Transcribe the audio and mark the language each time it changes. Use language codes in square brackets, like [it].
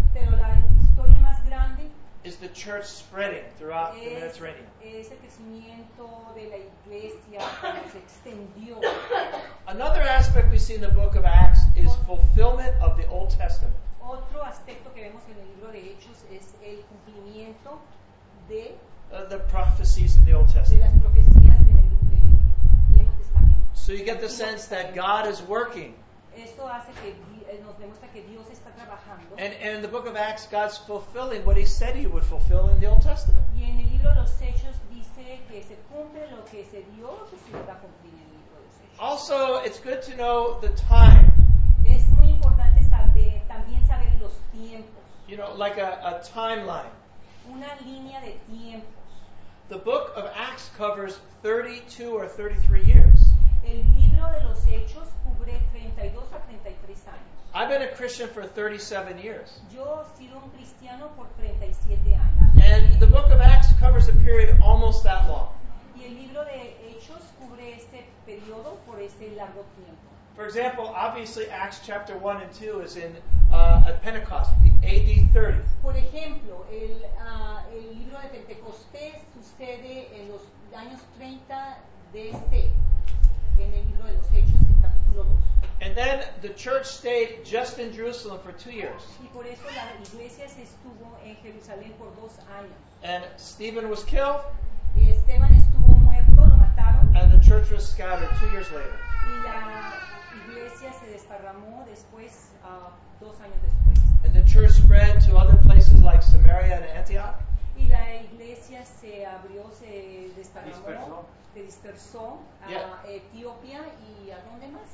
[es] Pero la historia más grande. [en] Is the church spreading throughout the Mediterranean? [es] Es el crecimiento de la iglesia se extendió. [en] Another aspect we see in the book of Acts is fulfillment of the Old Testament. [es] Otro aspecto que vemos en el libro de Hechos es el cumplimiento de [en] the prophecies in the Old Testament. [es] De las profecías del Viejo Testamento. [en] So you get the sense that God is working. [es] Esto hace que nos demuestra que Dios está trabajando. [en] And in the book of Acts, God's fulfilling what he said he would fulfill in the Old Testament. [es] Y en el libro de los Hechos dice que se cumple lo que se dio que se iba a cumplir en el libro de los Hechos. [en] Also, it's good to know the time. [es] Es muy importante saber, también saber los tiempos. [en] You know, like a timeline. [es] Una línea de tiempos. [en] The book of Acts covers 32 or 33 years. [es] El libro de los Hechos cubre 32 a 33 años. [en] I've been a Christian for 37 years. [es] Yo he sido un cristiano por 37 años. [en] And the book of Acts covers a period almost that long. [es] Y el libro de Hechos cubre este periodo por este largo tiempo. [en] For example, obviously Acts chapter 1 and 2 is in at Pentecost, the AD 30. [es] Por ejemplo, el libro de Pentecostés sucede en los años 30 D.C. en el libro de los Hechos, el capítulo 2. [en] And then the church stayed just in Jerusalem for 2 years. [es] Y por eso la iglesia se estuvo en Jerusalén por 2 años. [en] And Stephen was killed. [es] Y Esteban estuvo muerto, lo mataron. [en] And the church was scattered 2 years later. [es] Y la iglesia se desparramó después, 2 años después. [en] And the church spread to other places like Samaria and Antioch. [es] Y la iglesia se abrió, se desparramó. Se dispersó a Etiopía y a dónde más?